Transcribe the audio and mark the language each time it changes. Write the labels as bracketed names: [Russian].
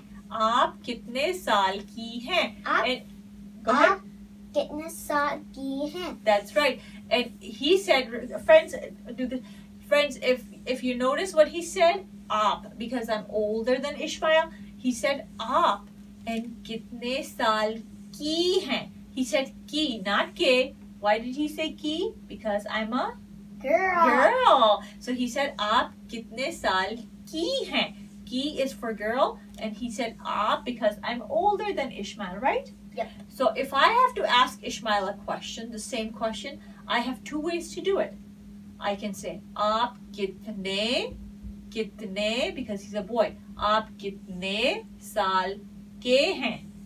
[Urdu] آپ کتنے سال کی ہیں؟ Aap kitne saal ki hain? [English] That's right. And he said, friends, do this. Friends, if you notice what he said, آپ, because I'm older than Ishmael, he said آپ and [Urdu] کتنے سال کی ہیں. [English] He said کی, not کے. Why did he say کی? Because I'm a girl. So he said [Urdu] آپ کتنے سال کی ہیں. [English] Ki is for girl, and he said aap because I'm older than Ishmael, right? Yeah. So if I have to ask Ishmael a question, the same question, I have two ways to do it. I can say [Urdu] aap kitne, [English] because he's a boy. [Urdu] آپ کتنے سال کے ہیں؟